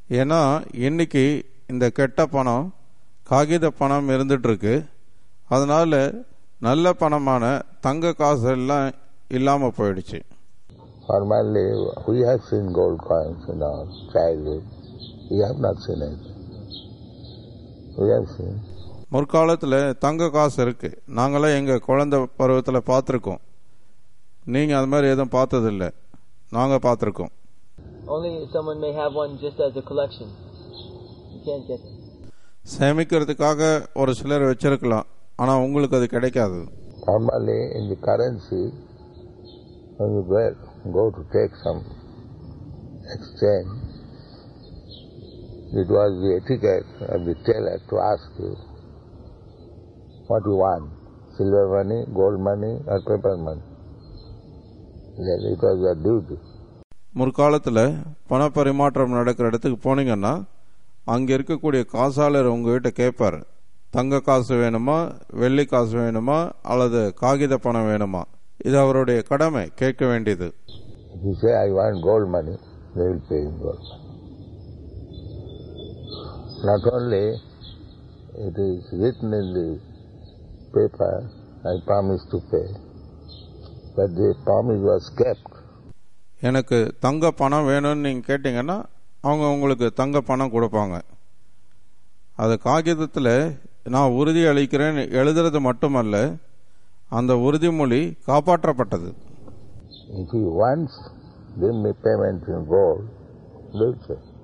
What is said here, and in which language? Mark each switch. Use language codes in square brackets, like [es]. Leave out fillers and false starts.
[ta] ஏன இன்னைக்கு இந்த கெட்ட பணம் காகித பணம் இருந்துட்டு இருக்கு, அதனால நல்ல பணமான தங்க காசு எல்லாம் இல்லாம போயிடுச்சு. [en] Formerly we have seen gold coins in our childhood. We have not seen it. We have seen. [ta] முற்காலத்துல தங்க காசு இருக்கு, நாங்களே எங்க குழந்தை பருவத்துல பாத்துருக்கோம். நீங்க அது மாதிரி எதுவும் பார்த்ததில்லை. நாங்க பார்த்திருக்கோம். [en] Only someone may have one just as a collection. You can't get it. [ta] சேமிக்கிறதுக்காக ஒரு சிலர் வச்சிருக்கலாம், ஆனா உங்களுக்கு அது கிடைக்காது. [en] Normally in the currency when you go to take some exchange, it was the etiquette of the teller to ask you what you want, silver money, gold money or paper money. Then it was your duty. [ta] முற்காலத்தில் பண பரிமாற்றம் நடக்கிற இடத்துக்கு போனீங்கன்னா அங்க இருக்கக்கூடிய காசாளர் உங்ககிட்ட கேட்பார், தங்க காசு வேணுமா, வெள்ளி காசு வேணுமா, அல்லது காகித பணம் வேணுமா? இது அவருடைய கடமை, கேட்க வேண்டியது. [en] If you say I want gold money, they will pay in gold money. Not only it is written in the paper, I promise to pay, but the promise was kept. [ta] எனக்கு தங்க பணம் வேணும்னு நீங்க கேட்டீங்கன்னா அவங்க உங்களுக்கு தங்க பணம் கொடுப்பாங்க. அது காகிதத்தில் நான் உறுதி அளிக்கிறேன்னு எழுதுறது மட்டுமல்ல, அந்த உறுதிமொழி காப்பாற்றப்பட்டது. [en] If he wants to give me payment in gold, he'll say.